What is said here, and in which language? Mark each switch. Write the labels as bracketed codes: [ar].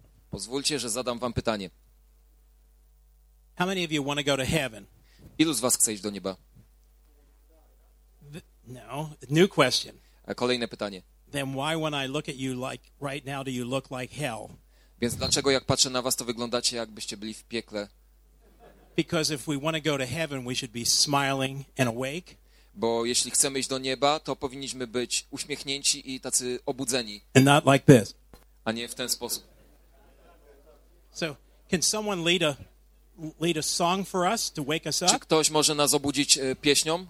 [pl] Pozwólcie, że zadam wam pytanie. [en] How many of you want to go to heaven? [pl] Ilu z was chce iść do nieba? [en] No, new question. [pl] A kolejne pytanie. [en] Then why when I look at you like right now do you look like hell? [pl] Więc dlaczego jak patrzę na was to wyglądacie jakbyście byli w piekle? [en] Because if we want to go to heaven we should be smiling and awake. [pl] Bo jeśli chcemy iść do nieba, to powinniśmy być uśmiechnięci i tacy obudzeni. [en] And not like this. [pl] A nie w ten sposób. [en] So, can someone lead a song for us to wake us up? [pl] Czy ktoś może nas obudzić pieśnią?